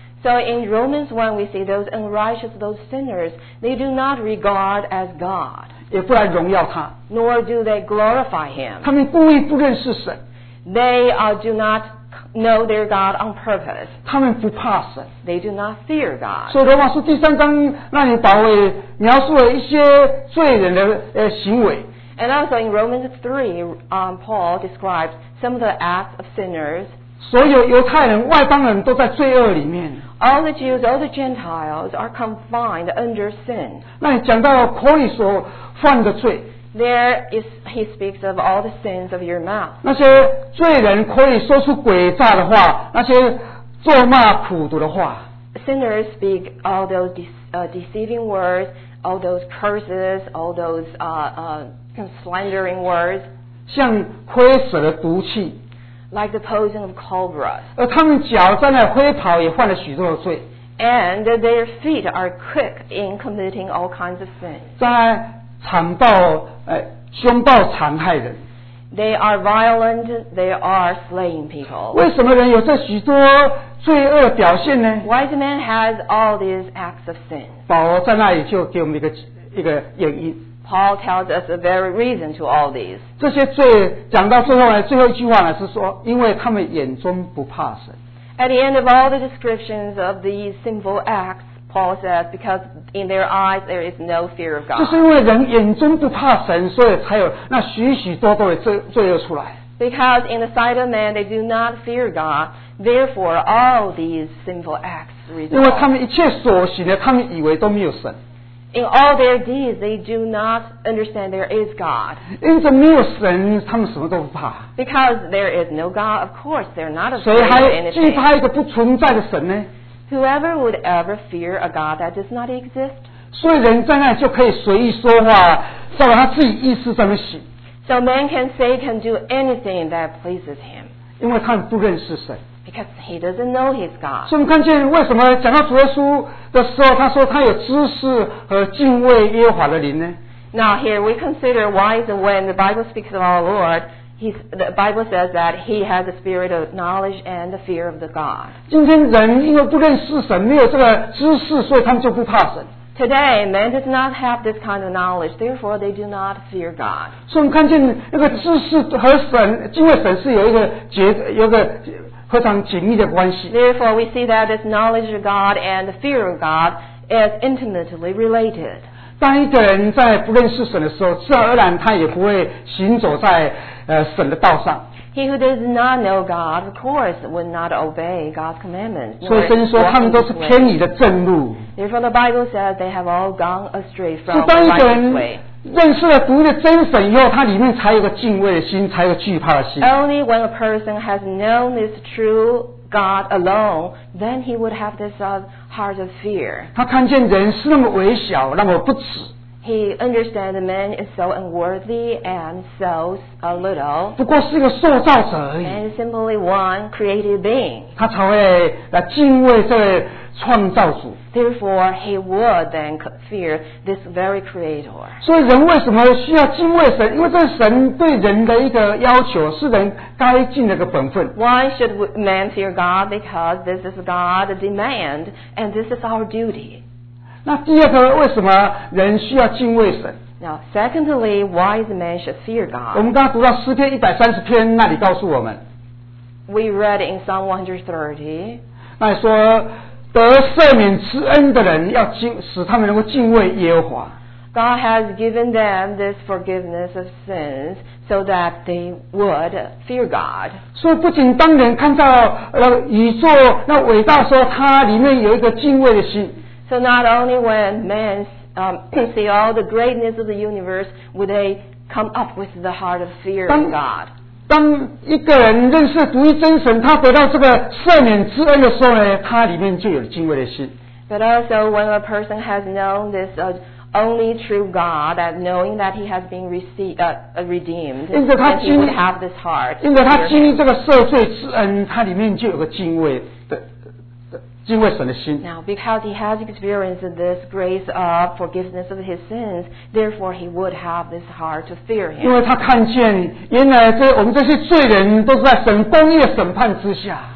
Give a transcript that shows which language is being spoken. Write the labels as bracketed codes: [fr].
[en] So in Romans 1, we see those unrighteous, those sinners, they do not regard as God. [zh] 也不来荣耀他。 [en] Nor do they glorify him. [zh] 他们故意不认识神。 [en] They do not know their God on purpose. [zh] 他们不怕神。 [en] They do not fear God. [zh] 所以罗马书第三章那里保罗描述了一些罪人的行为。 [en] And also in Romans 3, Paul describes some of the acts of sinners. [zh] 所有犹太人、外邦人都在罪恶里面。 [en] All the Jews, all the Gentiles are confined under sin. [zh] 那你讲到口里所犯的罪。 [en] There is, he speaks of all the sins of your mouth. [zh] 那些罪人口里说出诡诈的话，那些咒骂苦毒的话。 [en] Sinners speak all those deceiving words, all those curses, all those slandering words, [zh] 像灰蛇的毒气 [en] like the poison of cobras. [zh] 而他们脚在那灰跑也犯了许多的罪 [en] and their feet are quick in committing all kinds of sins. [zh] 在残暴、凶暴残害人 [en] they are violent, they are slaying people. [zh] 为什么人有这许多罪恶表现呢 [en] why the man has all these acts of sin? [zh] 保罗在那里就给我们一个原因。 [en] Paul tells us the very reason to all these. [zh] 这些罪讲到最后呢，最后一句话呢是说，因为他们眼中不怕神。 [en] At the end of all the descriptions of these sinful acts, Paul says, because in their eyes there is no fear of God. [zh] 就是因为人眼中不怕神，所以才有那许许多多的罪恶出来。 [en] Because in the sight of man they do not fear God, therefore all these sinful acts result. [zh] 因为他们一切所行的，他们以为都没有神。 [en] In all their deeds, they do not understand there is God. [zh] 因此没有神，他们什么都不怕。 [en] Because there is no God, of course, they're not afraid of anything. [zh] 谁还惧怕一个不存在的神呢？ [en] Whoever would ever fear a God that does not exist? [zh] 所以人在那就可以随意说话，照他自己意思怎么行。 [en] So man can say, can do anything that pleases him. [zh] 因为他们不认识神。 [en] Because he doesn't know his God. [zh] 所以我们看见为什么讲到主耶稣的时候，他说他有知识和敬畏耶和华的灵呢？ [en] Now here we consider why is when the Bible speaks of our Lord, the Bible says that he has the spirit of knowledge and the fear of the God. [zh] 今天人因为不认识神，没有这个知识，所以他们就不怕神。 [en] Today, man does not have this kind of knowledge, therefore they do not fear God. [zh] 所以我们看见那个知识和神敬畏神是有一个结，有个。非常紧密的关系。 [en] Therefore, we see that this knowledge of God and the fear of God is intimately related. [zh] 当一个人在不认识神的时候，自然而然他也不会行走在神的道上。 [en] He who does not know God, of course, would not obey God's commandments. [zh] 所以圣经说他们都是偏离的正路。 [en] Therefore, the Bible says they have all gone astray from the right way. 是 [zh] 当一个人认识了独一的真神以后，他里面才有个敬畏的心，才有惧怕的心。 [en] Only when a person has known this true God alone, then he would have this heart of fear. [zh] 他看见人是那么微小，那么不值。 [en] He understands man is so unworthy and so little. [zh] 不过是一个塑造者而已。 [en] And simply one created being. [zh] 他才会来敬畏这位创造主。 [en] Therefore, he would then fear this very creator. [zh] 所以人为什么需要敬畏神？因为这是神对人的一个要求，是人该尽的一个本分。 [en] Why should man fear God? Because this is God's demand, and this is our duty. [zh] 那第二个，为什么人需要敬畏神？ [en] Now, secondly, why the man should fear God? [zh] 我们刚刚读到诗篇一百三十篇，那里告诉我们。 [en] We read in Psalm 130. [zh] 那里说，得赦免之恩的人要敬，使他们能够敬畏耶和华。 [en] God has given them this forgiveness of sins so that they would fear God. [zh] 所以不仅当人看到宇宙那伟大说它里面有一个敬畏的心。 [en] So not only when man see all the greatness of the universe, would they come up with the heart of fear of God. [zh] 当一个人认识独一真神，他得到这个赦免之恩的时候呢，他里面就有敬畏的心。 [en] But also when a person has known this only true God, that knowing that he has been received, redeemed, and he would have this heart. [zh] 因着他经历这个赦罪之恩，他里面就有个敬畏的。敬畏神的心。 [en] Now, because he has experienced this grace of forgiveness of his sins, therefore he would have this heart to fear him. [zh] 因为他看见，原来这我们这些罪人都是在神公义的审判之下。